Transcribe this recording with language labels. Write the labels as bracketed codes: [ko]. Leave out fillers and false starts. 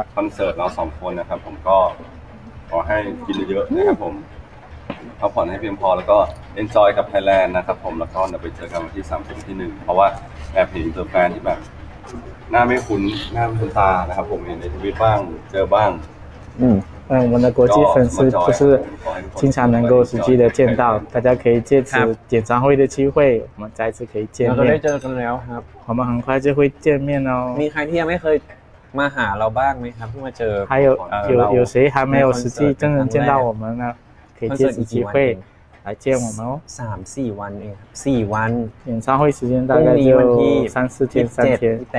[th] คอนเสิร์ตเรา2คนนะครับผมก็ขอให้กินเยอะๆนะครับผมพักผ่อนให้เพียงพอแล้วก็ enjoy กับ Thailand นะครับผมแล้วก็ไปเจอกันวันที่30ที่1เพราะว่าแอบเห็น Interfan ที่แบบหน้าไม่คุ้นหน้าไม่คุ้นตานะครับผมเห็นในทวิตบ้างเจอบ้าง [zh] 我们的国际粉丝就是经常能够实际的见到，大家可以借此演唱会的机会，我们再次可以见面。 [th] เราได้เจอกันแล้วครับ。 [zh] 我们很快就会见面哦。 [th] มีใครที่ยังไม่เคยมาหาเราบ้างไหมครับที่มาเจอ？ [zh] 还有谁还没有实际真正见到我们呢？可以借此机会来见我们哦。三四天เอง，四天。演唱会时间大概就三四天，三天。